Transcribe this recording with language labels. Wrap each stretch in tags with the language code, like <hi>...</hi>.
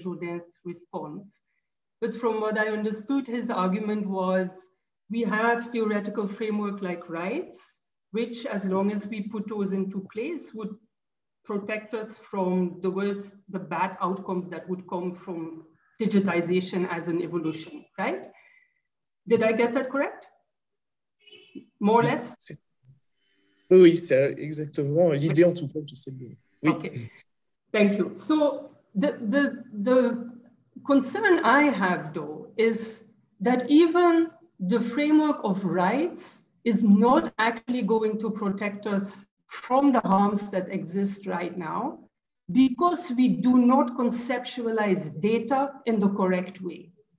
<en>Jourdain's response. But from what I understood, his argument was we have theoretical framework like rights, which, as long as we put those into place, would protect us from the worst, the bad outcomes that would come from digitization as an evolution, right? Did I get that correct? More or less?</en> <fr>Oui, c'est exactement l'idée, en tout cas, je sais bien. Oui.</fr> <en>Okay, thank you. So the concern I have, though, is that even the framework of rights is not actually going to protect us from the harms that exist right now because we do not conceptualize data in the correct way.</en>